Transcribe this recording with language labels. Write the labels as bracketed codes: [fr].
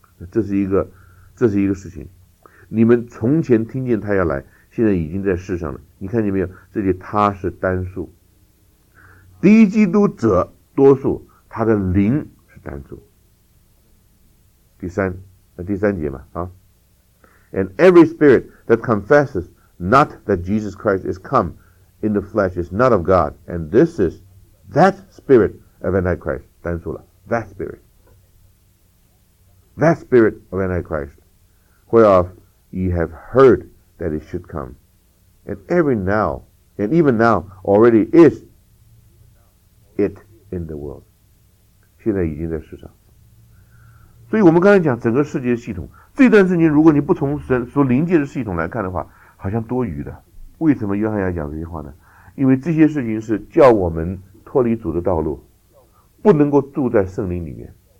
[zh] 这是一个事情。你们从前听见他要来，现在已经在世上了。你看见没有？这里他是单数，敌基督者多数，他的灵是单数。第三节嘛啊。 [en] And every spirit that confesses not that Jesus Christ is come in the flesh is not of God, and this is that spirit of Antichrist. [zh] 单数了 [en] that spirit of Antichrist, whereof ye have heard that it should come, and even now already is it in the world. [zh] 现在已经在世上。所以我们刚才讲整个世界的系统，这段圣经如果你不从神所灵界的系统来看的话，好像多余的。为什么约翰要讲这些话呢？因为这些事情是叫我们脱离主的道路，不能够住在圣灵里面。